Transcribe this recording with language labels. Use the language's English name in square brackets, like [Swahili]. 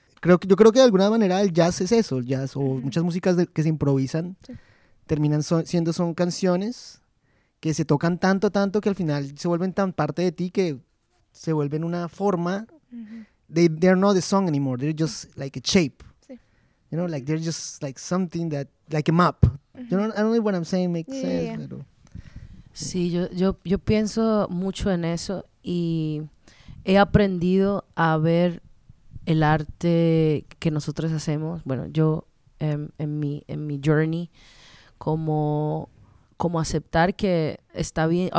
[Spanish] Yo creo que de alguna manera el jazz es eso, el jazz o mm-hmm. muchas músicas que se improvisan sí. terminan siendo canciones que se tocan tanto que al final se vuelven tan parte de ti que se vuelven una forma. [English] Mm-hmm. They're not a song anymore. They're just like a shape. Sí. You know, like they're just like something that like a map. Mm-hmm. You know, I don't know what I'm saying makes yeah, sense. Yeah. [Spanish] Pero, yeah. Sí, yo pienso mucho en eso y he aprendido a ver el arte que nosotros hacemos, bueno, yo en mi journey, como aceptar que está bien.